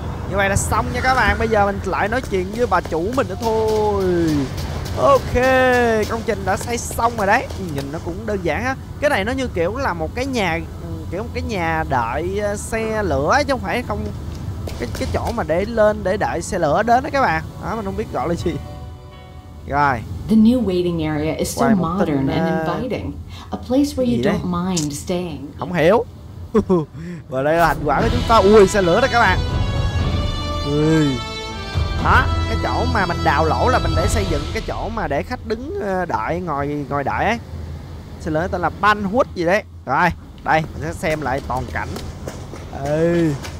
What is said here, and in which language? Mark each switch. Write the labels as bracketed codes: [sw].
[vi] Như vậy là xong nha các bạn. Bây giờ mình lại nói chuyện với bà chủ mình nữa thôi. Ok. Công trình đã xây xong rồi đấy. Nhìn nó cũng đơn giản á. Cái này nó như kiểu là một cái nhà, kiểu một cái nhà đợi xe lửa chứ không phải không cái chỗ mà để lên để đợi xe lửa đến đó các bạn. Đó, mình không biết gọi là gì. Rồi. [en] The new waiting area is so modern and inviting, a place where you don't mind staying. [vi] Không hiểu. Và đây là thành quả của chúng ta. Ui xe lửa đó các bạn. Ui. Đó, cái chỗ mà mình đào lỗ là mình để xây dựng cái chỗ mà để khách đứng đợi ngồi đợi ấy. Xe lửa tên là Banhut gì đấy. Rồi. Đây, mình sẽ xem lại toàn cảnh. Ê.